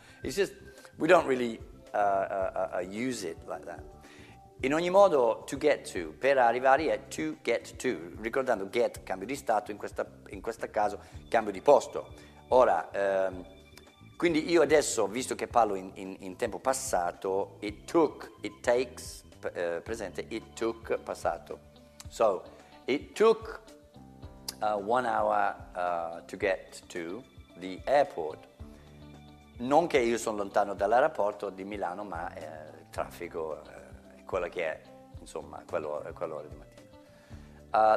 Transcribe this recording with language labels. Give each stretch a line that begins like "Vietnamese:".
English: It's just, we don't really use it like that.
Italian: In ogni modo,
English: to get to,
Italian: per arrivare è to get to, ricordando get, cambio di stato, in questo caso cambio di posto. Ora, quindi io adesso, visto che parlo in tempo passato,
English: it took, it takes,
Italian: presente, it took, passato.
English: So, it took 1 hour to get to the airport.
Italian: Non che io sono lontano dall'aeroporto di Milano, ma il traffico è quello che è, insomma, quell'ora di mattina.